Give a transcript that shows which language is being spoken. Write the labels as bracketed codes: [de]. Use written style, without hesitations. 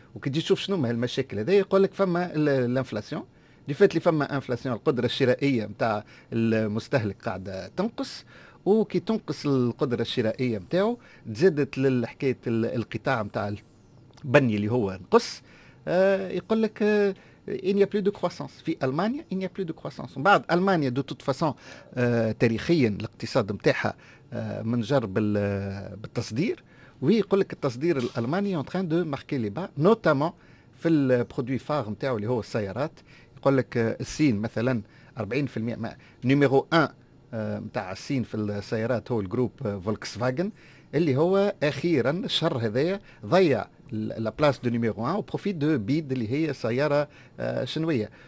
[ar] وكي تجي تشوف شنو هالمشاكل هذا يقول لك فما الانفلاسيون دي فات لي فما انفلاسيون. القدره الشرائيه نتاع المستهلك قاعده تنقص. وكي تنقص القدره الشرائيه نتاعو تزادت للحكايه القطاع نتاع البني اللي هو نقص. يقول لك [fr] il n'y a plus de croissance [ar] في ألمانيا. il n'y a plus de croissance. بعد ألمانيا [fr] دو توت فاسون [ar] تاريخيا الاقتصاد نتاعها من جر بالتصدير. ويقول لك التصدير الألماني [fr] en train de marquer les bas notamment [ar] في البرودوي فار نتاعو اللي هو السيارات. يقول لك الصين مثلا 40% نيميرو 1 نتاع الصين في السيارات هو الجروب فولكس فاجن اللي هو اخيرا الشهر هذايا ضيع [fr] لا بلاس دو نيميرو 1 [ar] وبروفيت دو بيد اللي هي سياره شنويه.